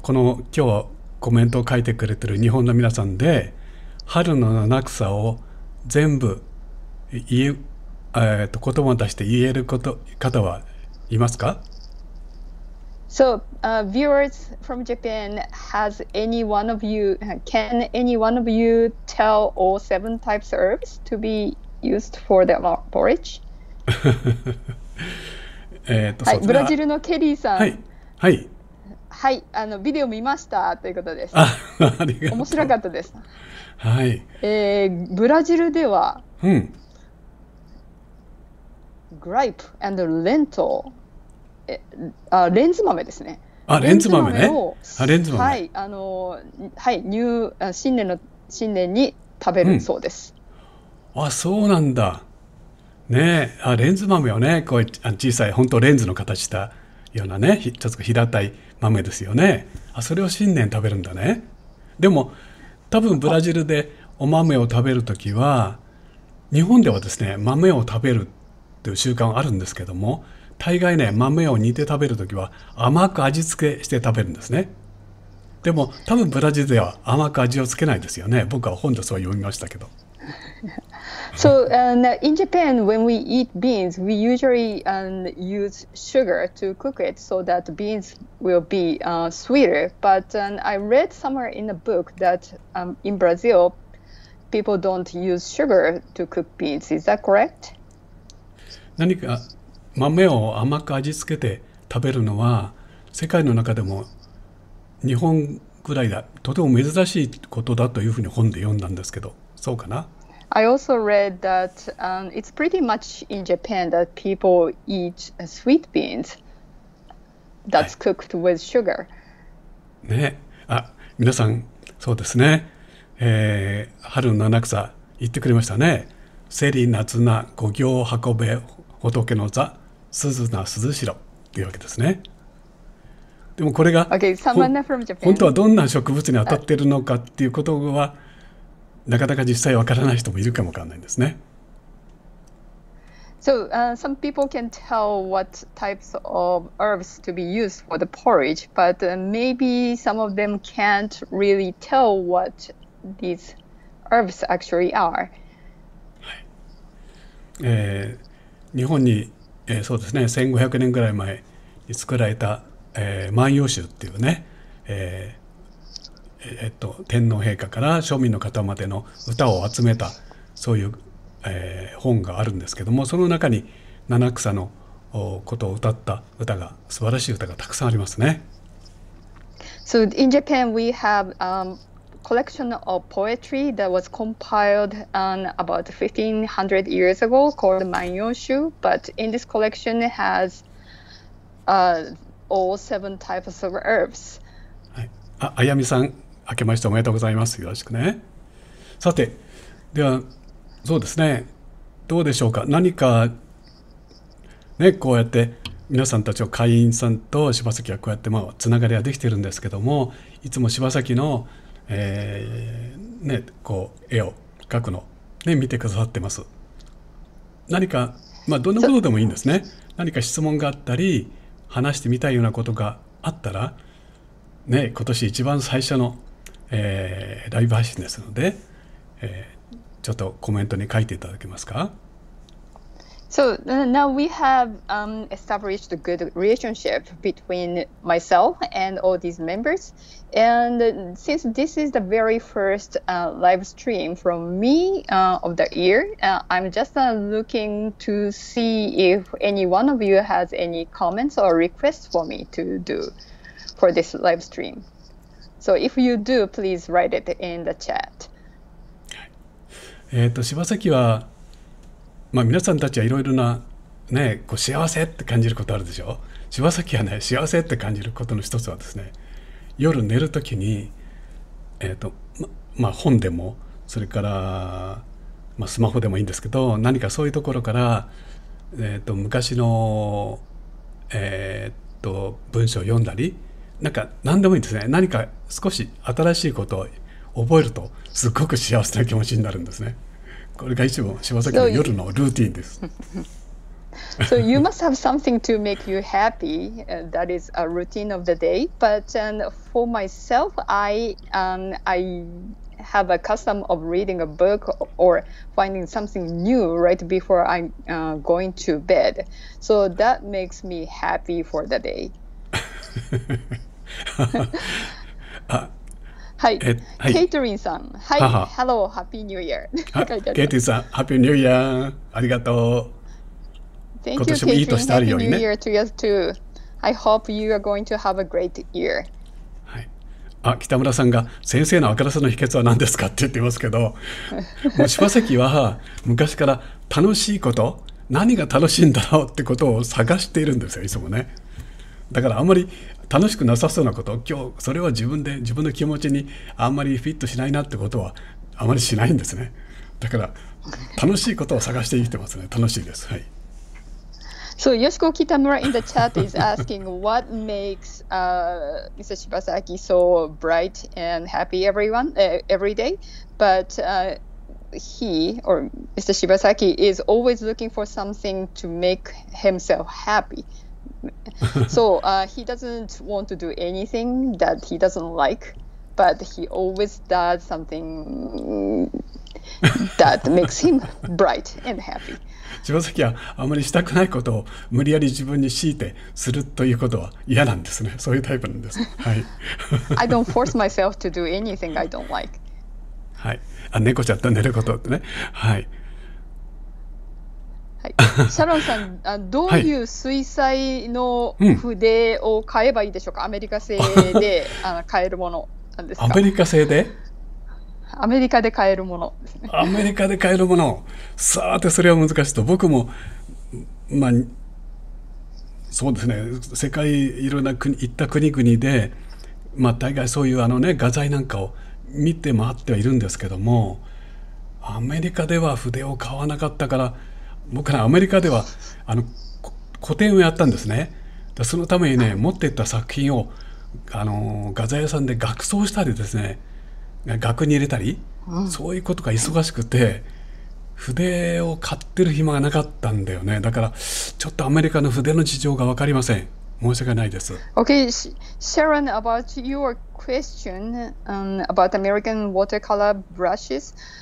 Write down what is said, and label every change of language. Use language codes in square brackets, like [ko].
[ja] この今日コメントを書いてくれてる日本の皆さんで、春の七草を全部言葉を出して言えること方はいますか？ [en] So, viewers from Japan, has any one of you, can any one of you tell all seven types of herbs to be used for the porridge? [ja] はい、ブラジルのケリーさん。はい。はい。はい、あのビデオ見ましたということです。ありがとう。面白かったです。はい。ブラジルでは、うん。グライプ [en] and lentil。 [ja] レンズ豆ですね。あ、レンズ豆ね。レンズ豆。はい、あの、はい、新年に食べるそうです。うん、あ、そうなんだ。ね、あ、レンズ豆よね。こう小さい、本当レンズの形したようなね、ちょっと平たい豆ですよね。あ、それを新年食べるんだね。でも、多分ブラジルでお豆を食べるときは、日本ではですね、豆を食べるという習慣あるんですけども、大概ね、豆を煮て食べるときは甘く味付けして食べるんですね。でも多分ブラジルでは甘く味をつけないですよね。僕は本でそう読みましたけど。 [en] So, in Japan, when we eat beans, we usually use sugar to cook it so that beans will be sweeter. But I read somewhere in a book that in Brazil, people don't use sugar to cook beans. Is that correct? [ja] 何か豆を甘く味付けて食べるのは世界の中でも日本ぐらいだ、とても珍しいことだというふうに本で読んだんですけど、そうかな。 [en] I also read that it's pretty much in Japan that people eat sweet beans that's cooked with sugar、 [ja] はい、ね、あ、皆さんそうですね、春の七草言ってくれましたね。セリ、夏菜、五行、運べ、仏の座、鈴な鈴代というわけですね。でもこれが、 [en] okay. Someone from Japan. [ja] 本当はどんな植物に当たっているのかっていうことはなかなか実際わからない人もいるかもわからないんですね。 [en] So, some people can tell what types of herbs to be used for the porridge, but maybe some of them can't really tell what these herbs actually are.、 [ja] はい、日本にそうですね、1500年ぐらい前に作られた、万葉集っていうね、天皇陛下から庶民の方までの歌を集めたそういう、本があるんですけども、その中に七草のことを歌った歌が、素晴らしい歌がたくさんありますね。 [en] So in Japan we have a collection of poetry that was compiled about 1500 years ago called Manyoshu, but in this collection has all seven types of herbs. [ja] はい、あやみさん、明けましておめでとうございます。よろしくね。さて、ではそうですね、どうでしょうか。何かね、こうやって皆さんたちを、会員さんと柴崎はこうやってまあつながりはできてるんですけども、いつも柴崎のね、こう絵を描くの、ね、見てくださってます。何か、まあ、どんなことでもいいんですね。何か質問があったり話してみたいようなことがあったら、ね、今年一番最初の、ライブ配信ですので、ちょっとコメントに書いていただけますか。 [en] So now we have established a good relationship between myself and all these members. And since this is the very first live stream from me of the year, I'm just looking to see if any one of you has any comments or requests for me to do for this live stream. So if you do, please write it in the chat. [ja] 柴崎は、まあ、皆さんたちはいろいろな、ね、こう幸せって感じることあるでしょ。柴崎はね、幸せって感じることの一つはですね、夜寝るときに、まあ本でも、それから、まあ、スマホでもいいんですけど、何かそういうところから、昔の、文章を読んだり、なんか何でもいいですね。何か少し新しいことを覚えると、すごく幸せな気持ちになるんですね。これが一番柴崎の夜のルーティーンです。 [en] So you must have something to make you happy. That is a routine of the day. But for myself, I have a custom of reading a book or finding something new right before I'm going to bed. So that makes me happy for the day. [ja] はい、ケイトリンさん、はい、ハロー、ハッピーニューイヤー。ケイトリンさん、ハッピーニューイヤー、ありがとう。今年もいい年であるようにね。 [en] Happy New Year to you too. I hope you are going to have a great year. [ja] はい。あ、北村さんが先生の明るさの秘訣は何ですかって言ってますけど、もう柴崎は昔から楽しいこと、何が楽しいんだろうってことを探しているんですよ、いつもね。だからあんまり楽しくなさそうなこと、今日それは自分の気持ちにあんまりフィットしないなってことはあまりしないんですね。だから楽しいことを探して生きてますね。楽しいです。はい。 [en] So Yoshiko Kitamura in the chat is asking what makes Mr. Shibasaki so bright and happy every day, but he or Mr. Shibasaki is always looking for something to make himself happy. So he doesn't want to do anything that he doesn't like, but he always does something that makes him bright and happy. [ja] 柴崎はあまりしたくないことを無理やり自分に強いてするということは嫌なんですね。そういうタイプなんです。はい。 [en] I don't force myself to do anything I don't like。 [ja] はい。あ、猫ちゃんと寝ることってね。はい。はい。シャロンさん、どういう水彩の筆を買えばいいでしょうか。はい、アメリカ製で買えるものなんですか。アメリカ製で。アメリカで買えるものですね。アメリカで買えるもの、さてそれは難しいと。僕もまあそうですね、世界いろんな国行った国々で、まあ大概そういうあのね画材なんかを見て回ってはいるんですけども、アメリカでは筆を買わなかったから。僕はアメリカではあの個展をやったんですね。そのためにね、持って行った作品をあの画材屋さんで額装したりですね、額に入れたり、そういうことが忙しくて、筆を買ってる暇がなかったんだよね。だからちょっとアメリカの筆の事情が分かりません。申し訳ないです。 [en] Okay, Sharon, about your question about American watercolor brushes.